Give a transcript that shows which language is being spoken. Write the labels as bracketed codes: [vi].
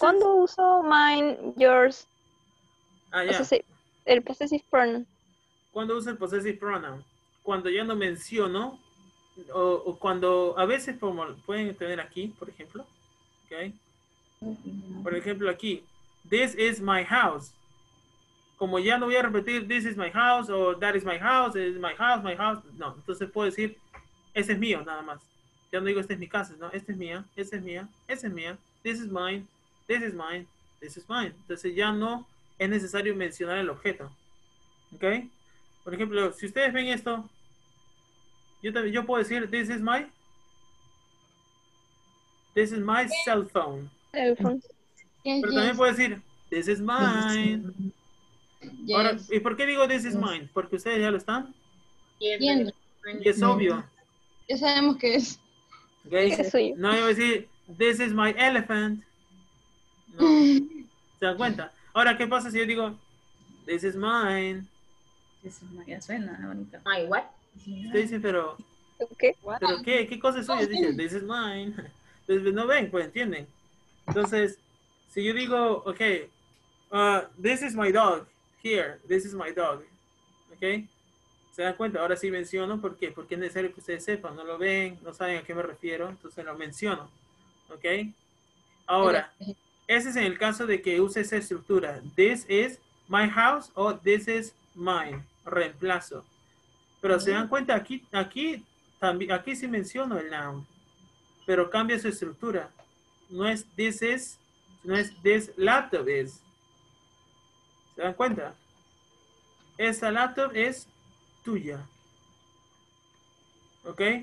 [es] ¿Cuándo uso [en] mine, yours? Ah, ya. Yeah. [es] El possessive pronoun. ¿Cuándo uso el possessive pronoun? Cuando ya no menciono, o cuando, a veces, como pueden tener aquí, por ejemplo, ¿ok? Por ejemplo, aquí, [en] this is my house. [es] Como ya no voy a repetir, [en] this is my house, [es] o [en] that is my house, [es] no. Entonces puedo decir, ese es mío, nada más. Ya no digo, esta es mi casa, no, esta es mía, esa es mía, esa es mía, [en] this is mine, this is mine, this is mine. [es] Entonces ya no es necesario mencionar el objeto, ¿ok? Por ejemplo, si ustedes ven esto, yo puedo decir, [en] this is my cell phone. [es] Pero también puedo decir, [en] this is mine. [es] Ahora, ¿y por qué digo [en] this is mine? [es] ¿Porque ustedes ya lo están? Y es obvio. Ya sabemos qué es. Okay. Es suyo. No, yo voy a decir, [en] this is my elephant. [es] No. ¿Se dan cuenta? Ahora, ¿qué pasa si yo digo, [en] this is mine? [es] Ya suena bonito. [en] My what? [es] Usted dice, pero... ¿Qué? ¿Pero qué? ¿Qué cosa es suya? Dice, [en] this is mine. [es] Entonces, no ven, pues entienden. Entonces, si yo digo, ok, [en] this is my dog, [es] here, this is my dog. ¿Ok? ¿Se dan cuenta? Ahora sí menciono, ¿por qué? Porque es necesario que ustedes sepan, no lo ven, no saben a qué me refiero, entonces lo menciono. ¿Ok? Ahora, ese es en el caso de que use esa estructura. [en] This is my house o this is mine, [es] reemplazo. Pero se dan cuenta, aquí también, aquí sí menciono el noun, pero cambia su estructura. No es [en] this laptop is. ¿Se dan cuenta? [es] Esta laptop es tuya. ¿Ok?